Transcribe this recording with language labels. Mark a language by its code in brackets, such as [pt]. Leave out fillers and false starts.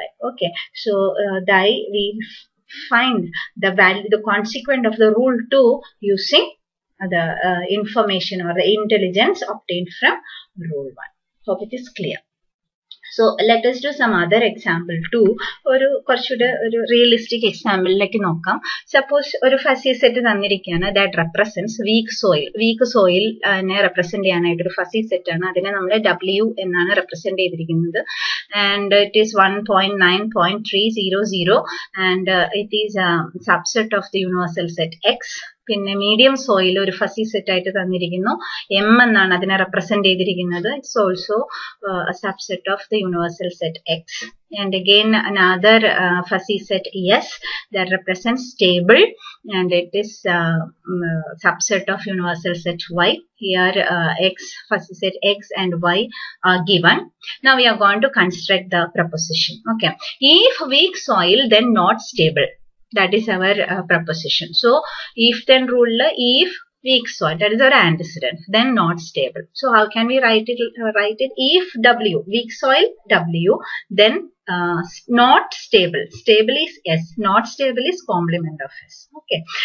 [en] Okay, so we find the value, the consequent of the rule 2 using the information or the intelligence obtained from rule 1. Hope it is clear. So let us do some other example too. [ml] ഒരു കുറച്ചുകൂടെ ഒരു realistic എക്സാമ്പിളിലേക്ക് നോക്കാം. Suppose ഒരു fuzzy set തന്നിരിക്കുകയാണ്. [en] That represents weak soil. [ml] Week soil നെ represent ചെയ്യാനായിട്ട് ഒരു fuzzy set ആണ്. അതിനെ നമ്മൾ ഡബ്ല്യു എന്നാണ് റെപ്രസെന്റ് ചെയ്തിരിക്കുന്നത്. [en] And it is 1.9.300 and it is subset of the universal set X. [ml] പിന്നെ മീഡിയം സോയിൽ ഒരു ഫസി സെറ്റ് ആയിട്ട് തന്നിരിക്കുന്നു. എം എന്നാണ് അതിനെ റെപ്രസെന്റ് ചെയ്തിരിക്കുന്നത്. [en] It's also subset of the universal set X. And again another fuzzy set S that represents table and it is subset of universal set Y. Here X fuzzy set X and Y are given. Now we are going to construct the proposition. Okay, if weak soil then not stable. That is our proposition. So, if then rule, if weak soil, that is our antecedent, then not stable. So, how can we write it? If W, weak soil, W, then not stable. Stable is S, not stable is complement of S. Okay.